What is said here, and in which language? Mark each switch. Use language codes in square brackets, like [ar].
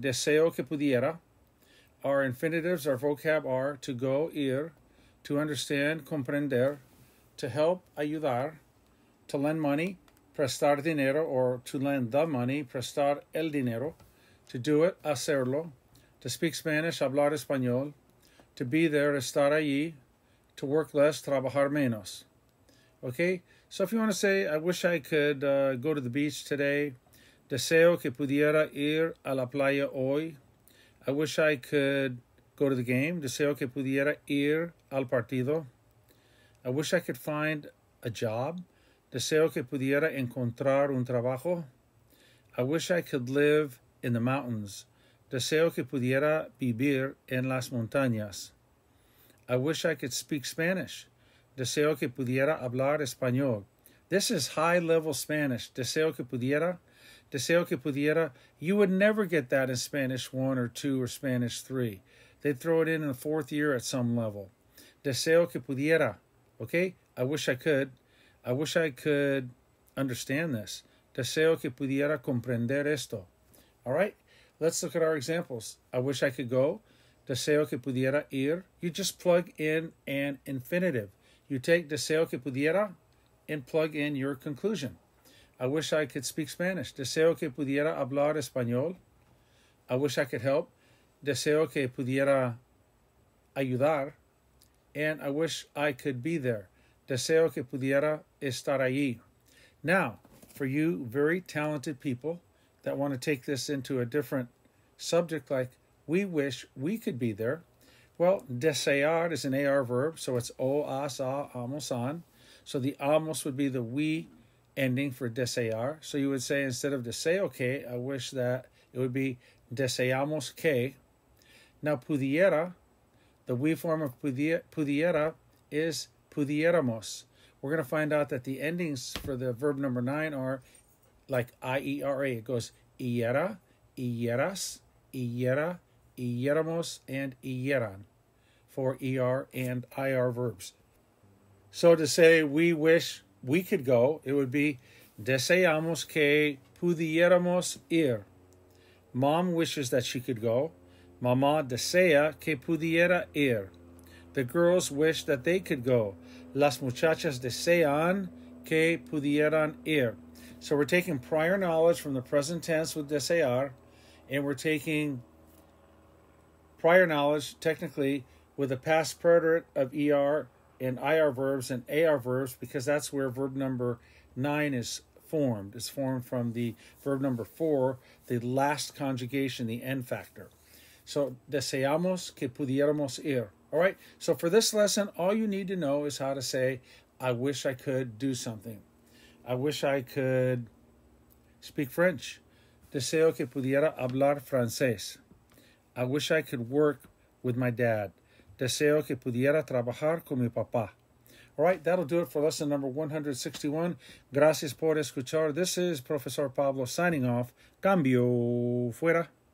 [es] Deseo que pudiera. [en] Our infinitives, our vocab are to go, ir, to understand, comprender, to help, ayudar, to lend money, prestar dinero, or to lend the money, prestar el dinero, to do it, hacerlo, to speak Spanish, hablar español, to be there, estar allí, to work less, trabajar menos. Okay, so if you want to say, I wish I could go to the beach today. [es] Deseo que pudiera ir a la playa hoy. [en] I wish I could go to the game. [es] Deseo que pudiera ir al partido. [en] I wish I could find a job. [es] Deseo que pudiera encontrar un trabajo. [en] I wish I could live in the mountains. [es] Deseo que pudiera vivir en las montañas. [en] I wish I could speak Spanish. [es] Deseo que pudiera hablar español. [en] This is high-level Spanish. [es] Deseo que pudiera. Deseo que pudiera. [en] You would never get that in Spanish 1 or 2 or Spanish 3. They'd throw it in the fourth year at some level. [es] Deseo que pudiera. [en] Okay? I wish I could. I wish I could understand this. [es] Deseo que pudiera comprender esto. [en] All right? Let's look at our examples. I wish I could go. [es] Deseo que pudiera ir. [en] You just plug in an infinitive. You take [es] deseo que pudiera [en] and plug in your conclusion. I wish I could speak Spanish. [es] Deseo que pudiera hablar español. [en] I wish I could help. [es] Deseo que pudiera ayudar. [en] And I wish I could be there. [es] Deseo que pudiera estar allí. [en] Now, for you very talented people that want to take this into a different subject like we wish we could be there. Well, desear is an AR verb, so it's o, as, a, amos, on. So the amos would be the we ending for desear. So you would say instead of [es] deseo que, [en] I wish that, it would be [es] deseamos que. [en] Now pudiera, the we form of pudiera is pudiéramos. We're going to find out that the endings for the verb number 9 are like I-E-R-A. It goes iera, ieras, iera, ieramos, and ieran for ER and IR verbs. So to say we wish we could go, it would be [es] deseamos que pudiéramos ir. [en] Mom wishes that she could go. [es] Mamá desea que pudiera ir. [en] The girls wish that they could go. [es] Las muchachas desean que pudieran ir. [en] So we're taking prior knowledge from the present tense with desear, and we're taking prior knowledge, technically, with a past preterite of ER and IR verbs and AR verbs, because that's where verb number 9 is formed. It's formed from the verb number 4, the last conjugation, the end factor. [es] So, deseamos que pudiéramos ir. [en] All right, so for this lesson, all you need to know is how to say, I wish I could do something. I wish I could speak French. [es] Deseo que pudiera hablar francés. [en] I wish I could work with my dad. [es] Deseo que pudiera trabajar con mi papá. [en] All right, that'll do it for lesson number 161. [es] Gracias por escuchar. [en] This is Profesor Pablo signing off. [es] Cambio fuera.